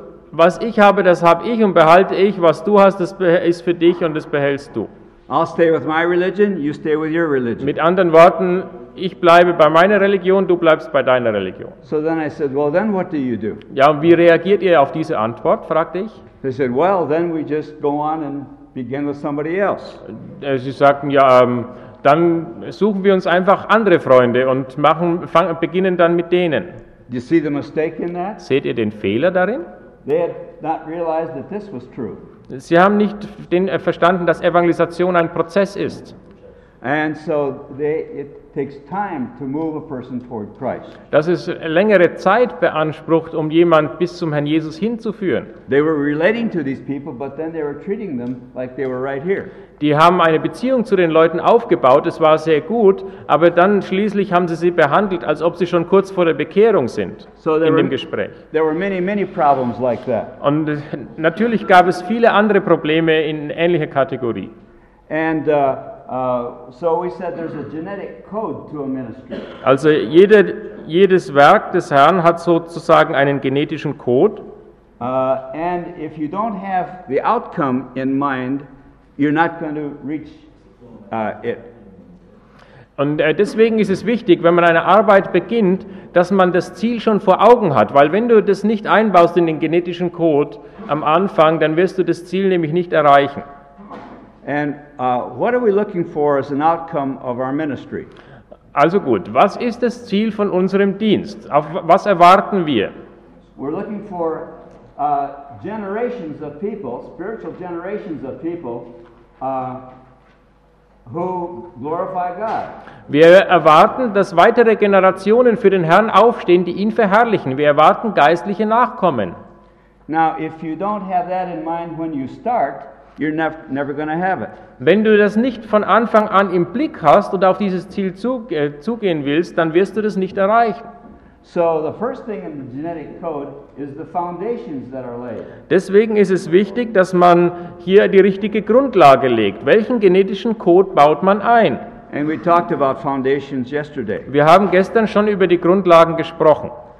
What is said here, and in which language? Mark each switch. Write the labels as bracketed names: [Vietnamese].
[German] Was ich habe, das habe ich und behalte ich. Was du hast, das ist für dich und das behältst du. [English] I'll stay with my religion, you stay with your religion. [German] Mit anderen Worten, ich bleibe bei meiner Religion, du bleibst bei deiner Religion. [English] So then I said, well, then what do you do? [German] Ja, und wie reagiert ihr auf diese Antwort, fragte ich. [English] They said, well, then we just go on and begin with somebody else. [German] Sie sagten, ja, dann suchen wir uns einfach andere Freunde und beginnen dann mit denen. [English] Do you see the mistake in that? [German] Seht ihr den Fehler darin? [English] They had not realized that this was true. [German] Sie haben nicht verstanden, dass Evangelisation ein Prozess ist. [English] And so it takes time to move a person toward Christ. [German] Dass es längere Zeit beansprucht, um jemand bis zum Herrn Jesus hinzuführen. [English] They were relating to these people, but then they were treating them like they were right here. [German] Die haben eine Beziehung zu den Leuten aufgebaut, es war sehr gut, aber dann schließlich haben sie behandelt, als ob sie schon kurz vor der Bekehrung sind, so in dem Gespräch. [English] There were many, many problems like that. [German] Und natürlich gab es viele andere Probleme in ähnlicher Kategorie. [English] And so we said there's a genetic code to a ministry. [German] Also jedes Werk des Herrn hat sozusagen einen genetischen Code. [English] And if you don't have the outcome in mind, you're not going to reach it. [German] Und deswegen ist es wichtig, wenn man eine Arbeit beginnt, dass man das Ziel schon vor Augen hat, weil wenn du das nicht einbaust in den genetischen Code am Anfang, dann wirst du das Ziel nämlich nicht erreichen. [English] And what are we looking for as an outcome of our ministry? [German] Also gut, was ist das Ziel von unserem Dienst? Auf was erwarten wir? [English] We're looking for generations of people, spiritual generations of people who glorify God. [German] Wir erwarten, dass weitere Generationen für den Herrn aufstehen, die ihn verherrlichen. Wir erwarten geistliche Nachkommen. [English] Now, if you don't have that in mind when you start, you're never going to have it. [German] Wenn du das nicht von Anfang an im Blick hast und auf dieses Ziel zugehen willst, dann wirst du das nicht erreichen. [English] So the first thing in the genetic code is the foundations that are laid. [German] Deswegen ist es wichtig, dass man hier die richtige Grundlage legt. Welchen genetischen Code baut man ein? [English] And we talked about foundations yesterday. [German] Wir haben gestern schon über die Grundlagen gesprochen.